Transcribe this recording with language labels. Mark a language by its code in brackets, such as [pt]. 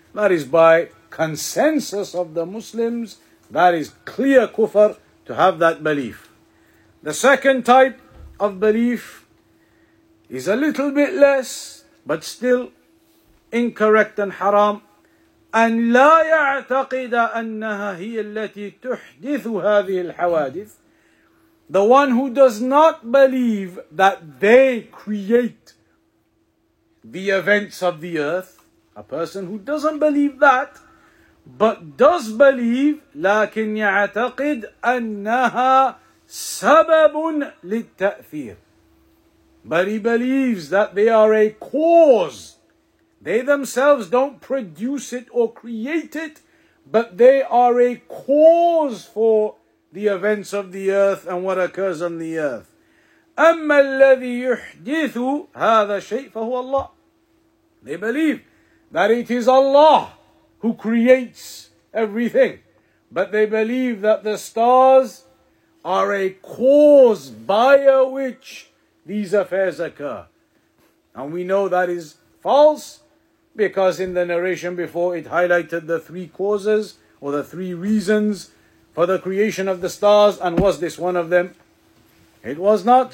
[en] That is by consensus of the Muslims. That is clear kufr to have that belief. The second type of belief is a little bit less, but still incorrect and haram. [ar] أن لا يعتقد أنها هي التي تحدث هذه الحوادث. [en] The one who does not believe that they create the events of the earth, a person who doesn't believe that, but does believe, [ar] لكن يعتقد أنها سبب للتأثير. [en] But he believes that they are a cause. They themselves don't produce it or create it, but they are a cause for the events of the earth and what occurs on the earth. [ar] أما الذي يحدث هذا الشيء فهو الله. [en] They believe that it is Allah who creates everything. But they believe that the stars are a cause by which these affairs occur. And we know that is false, because in the narration before it highlighted the three causes or the three reasons for the creation of the stars. And was this one of them? It was not.